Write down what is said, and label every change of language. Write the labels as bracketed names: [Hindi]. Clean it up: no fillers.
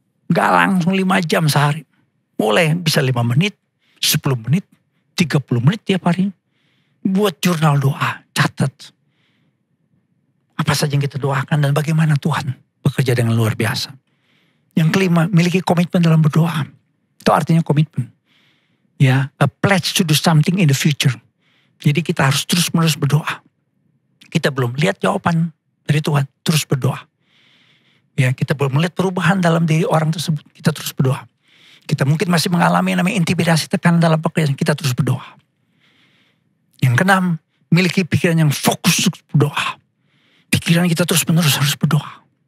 [Indonesian] Gak langsung 5 jam sehari. Mulai bisa 5 menit, 10 menit, 30 menit tiap hari. Buat jurnal doa, catat. Apa saja yang kita doakan dan bagaimana Tuhan bekerja dengan luar biasa. Yang kelima, miliki komitmen dalam berdoa. Itu artinya komitmen. [English] Ya, a pledge to do something in the future. [Indonesian] Jadi kita harus terus-menerus berdoa. Kita belum lihat jawaban dari Tuhan, terus berdoa. Ya, kita belum melihat perubahan dalam diri orang tersebut, kita terus berdoa. Kita mungkin masih mengalami namanya intimidasi, tekanan dalam pekerjaan, kita terus berdoa. Yang keenam, miliki pikiran yang fokus untuk berdoa. Pikiran kita terus-menerus harus berdoa.